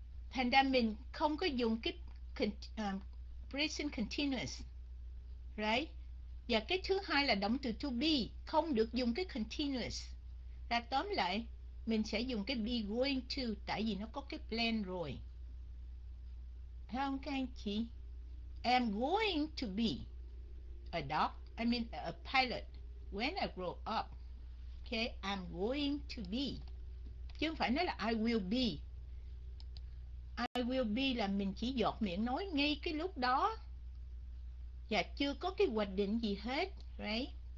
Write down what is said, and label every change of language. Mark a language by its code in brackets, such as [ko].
[vi] Thành ra mình không có dùng cái present continuous. Right? Và cái thứ hai là động từ to be không được dùng cái continuous. Là tóm lại, mình sẽ dùng cái be going to tại vì nó có cái plan rồi. Thấy không các anh chị? [en] I'm going to be a doc, I mean a pilot when I grow up. Okay, I'm going to be. [vi] Chứ không phải nói là [en] I will be. I will be [vi] là mình chỉ giọt miệng nói ngay cái lúc đó và chưa có cái hoạch định gì hết, right?